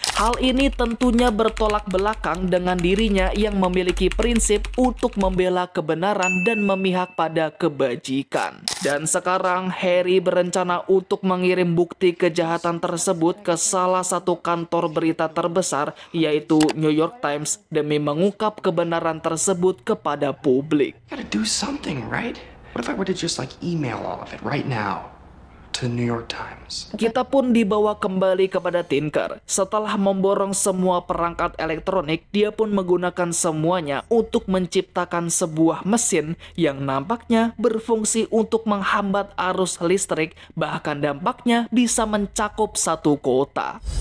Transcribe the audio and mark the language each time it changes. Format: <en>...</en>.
<id>Hal ini tentunya bertolak belakang dengan dirinya yang memiliki prinsip untuk membela kebenaran dan memihak pada kebajikan. Dan sekarang Harry berencana untuk mengirim bukti kejahatan tersebut ke salah satu kantor berita terbesar, yaitu New York Times, demi mengungkap kebenaran tersebut kepada publik.</id> <en>You gotta do something, right? What if I were to just like email all of it right now? To New York Times.</en> <id>Kita pun dibawa kembali kepada Tinker. Setelah memborong semua perangkat elektronik, dia pun menggunakan semuanya untuk menciptakan sebuah mesin yang nampaknya berfungsi untuk menghambat arus listrik, bahkan dampaknya bisa mencakup satu kota.</id>